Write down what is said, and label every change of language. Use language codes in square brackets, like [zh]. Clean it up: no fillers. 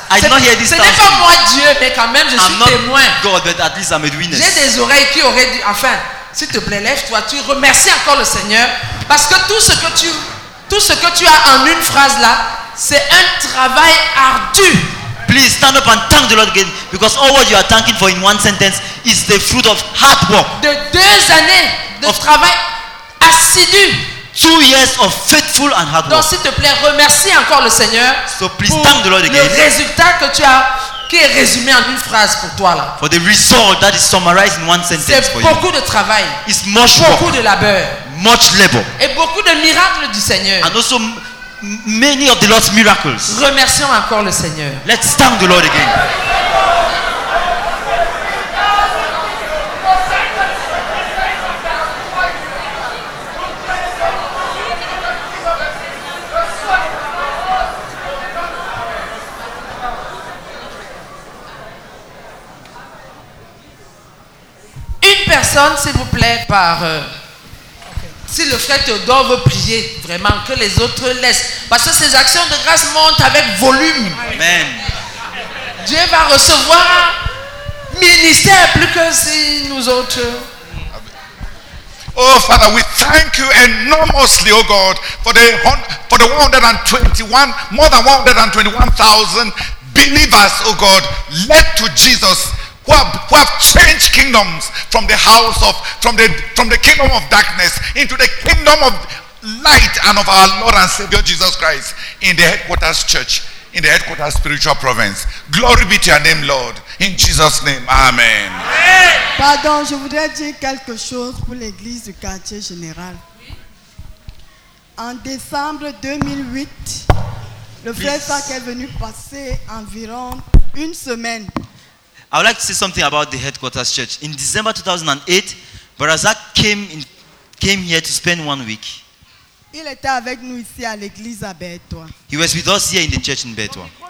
[en] I did not hear this. [fr] Ce n'est pas moi Dieu, mais quand même je [en] I'm [fr] suis [en] not [fr] témoin. [en] God, but at least I'm a witness. [fr] J'ai des oreilles qui auraient dû. Enfin, s'il te plaît, lève-toi, tu remercies encore le Seigneur parce que tout ce que tu as en une phrase là, c'est un travail ardu. [en] Please stand up and thank the Lord again, because all what you are thanking for in one sentence is the fruit of hard work. [fr] De deux années de travail assidu. [en] 2 years of faithful and hard work. [fr] Donc s'il te plaît, remercie encore le Seigneur. [en] So please thank the Lord again. [fr] Le résultat que tu as qui est résumé en une phrase pour toi là. [en] For the result that is summarized in one sentence for you. [fr] C'est beaucoup de travail. [en] It's much work. [fr] Beaucoup de labeur. [en] Much labor. [fr] Et beaucoup de miracles du Seigneur. [en] And also many of the Lord's miracles. [fr] Remercions encore le Seigneur. [en] Let's thank the Lord again. [fr] Une personne, s'il vous plaît, par... Si le frère Théodore veut prier, vraiment, que les autres laissent. Parce que ces actions de grâce montent avec volume. Amen. Dieu va recevoir ministère plus que si nous autres. [en] Oh, Father, we thank you enormously, oh God, for the 121, more than 121,000 believers, oh God, led to Jesus, who have changed kingdoms from the house of from the kingdom of darkness into the kingdom of light and of our Lord and Savior Jesus Christ in the headquarters church, in the headquarters spiritual province. Glory be to your name, Lord. In Jesus' name, amen. [fr] Pardon, je voudrais dire quelque chose pour l'église du quartier général. En décembre 2008, le frère Sack est venu passer environ une semaine. [en] I would like to say something about the headquarters church. In December 2008, Brother Zach came here to spend 1 week. [fr] Il était avec nous ici à l'église à Bertoua. [en] He was with us here in the church in Bertoua.